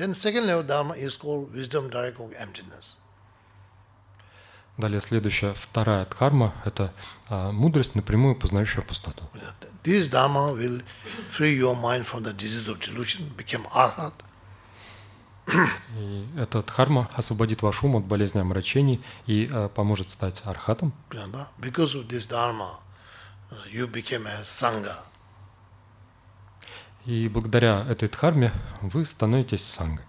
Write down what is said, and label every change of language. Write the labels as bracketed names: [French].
[English] Then second level dharma is called wisdom direct of emptiness. [Russian] Далее следующая, вторая дхарма – это мудрость, напрямую познающая пустоту. [English] This dharma will free your mind from the disease of delusion, become arhat. [Russian] И эта дхарма освободит ваш ум от болезни омрачений и поможет стать архатом. Yeah, да. [English] Because of this dharma, you became a sangha. [Russian] И благодаря этой дхарме вы становитесь сангой.